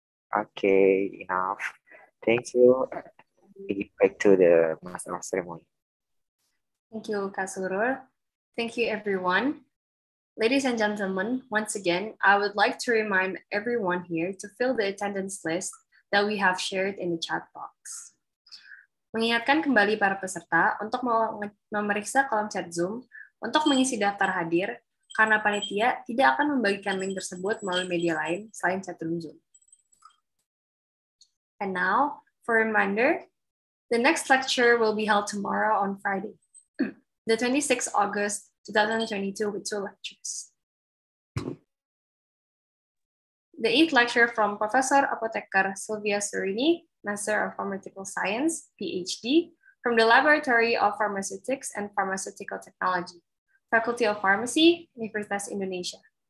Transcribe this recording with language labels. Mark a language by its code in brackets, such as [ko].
[en] Okay, enough. Thank you. Back to the master of ceremony. Thank you, Kasurur. Thank you, everyone. Ladies and gentlemen, once again, I would like to remind everyone here to fill the attendance list that we have shared in the chat box. [id] Mengingatkan kembali para peserta untuk memeriksa kolom chat Zoom untuk mengisi daftar hadir karena panitia tidak akan membagikan link tersebut melalui media lain selain chat room Zoom. [en] And now, for reminder, the next lecture will be held tomorrow on Friday, the 26th August 2022 with 2 lectures. The 8th lecture from Professor Apotekar Sylvia Serini, Master of Pharmaceutical Science, PhD, from the Laboratory of Pharmaceutics and Pharmaceutical Technology, Faculty of Pharmacy, Universitas Indonesia.